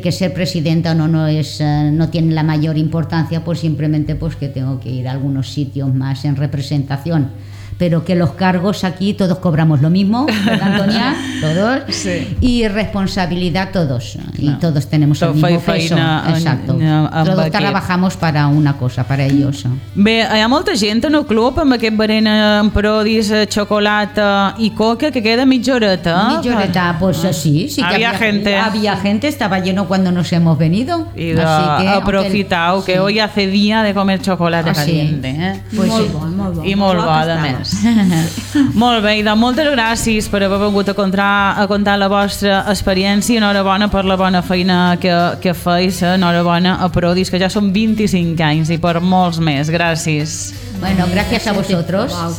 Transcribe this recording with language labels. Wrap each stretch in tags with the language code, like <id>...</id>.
<es>Que ser presidenta no tiene la mayor importancia, pues simplemente pues que tengo que ir a algunos sitios más en representación. Pero que los cargos aquí todos cobramos lo mismo, Antonia, todos, sí. Y responsabilidad todos, y no. Todos tenemos el mismo peso, exacto. Todos trabajamos para una cosa, para ellos.</es> <ca>Bé, hi ha molta gent en el club amb aquest berenar amb Prodis, xocolata i coca, que queda mitjoreta.</ca> <es>Mitjoreta, pues sí. Sí que había gente. Había gente, estaba lleno cuando nos hemos venido.</es> <ca>I aprofitau, que sí.</ca> <es>Hoy hace día de comer xocolata caliente. Pues sí.</es> <ca>Molt bo, també. Molt bé, Ida, moltes gràcies per haver vingut a contar la vostra experiència. Enhorabona per la bona feina que feis. Enhorabona a Prodis, que ja són 25 anys i per molts més. Gràcies. Bueno, gràcies a vosaltres.</ca>